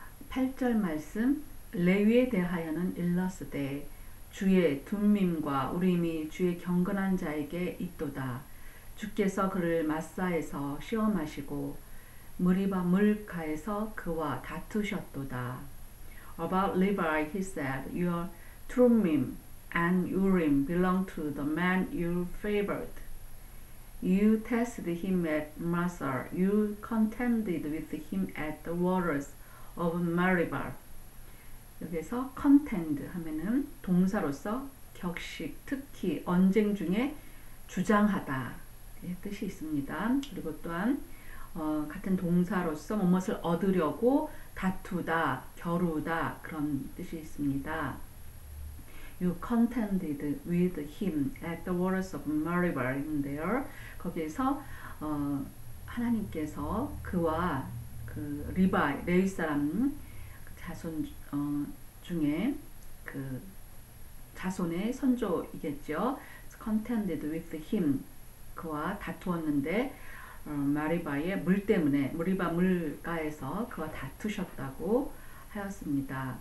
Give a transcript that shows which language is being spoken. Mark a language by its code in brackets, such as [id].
[ko] 8절 말씀 레위에 대하여는 일렀으되 주의 둠밈과 우림이 주의 경건한 자에게 있도다. 주께서 그를 마사에서 시험하시고 므리바 물가에서 그와 다투셨도다. [en] About Levi, he said, Your Thummim and Urim belong to the man you favored. You tested him at Massah. You contended with him at the waters of Meribah. [ko] 여기서 contend 하면은 동사로서 격식, 특히 언쟁 중에 주장하다 뜻이 있습니다. 그리고 또한 같은 동사로서 무엇을 얻으려고 다투다, 겨루다 그런 뜻이 있습니다. [en] You contended with him at the waters of Meribah인데요. [ko] 거기에서 하나님께서 그와 그 리바, 레위 사람 자손 중에 그 자손의 선조이겠죠. [en] Contended with him, [ko] 그와 다투었는데 마리바의 물 때문에 무리바 물가에서 그와 다투셨다고 하였습니다.